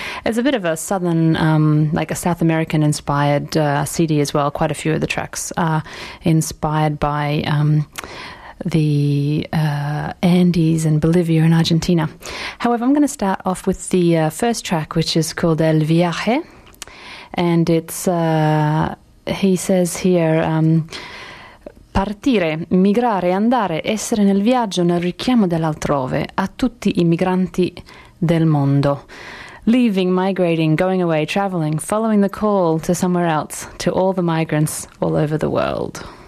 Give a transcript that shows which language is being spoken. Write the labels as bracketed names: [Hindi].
[English] It's a bit of a southern, like a South American-inspired CD as well. Quite a few of the tracks are inspired by the Andes and Bolivia and Argentina. However, I'm going to start off with the first track, which is called El Viaje. And it's, he says here... [Italian] Partire, migrare, andare, essere nel viaggio, nel richiamo dell'altrove, a tutti i migranti del mondo. [English] Leaving, migrating, going away, traveling, following the call to somewhere else, to all the migrants all over the world.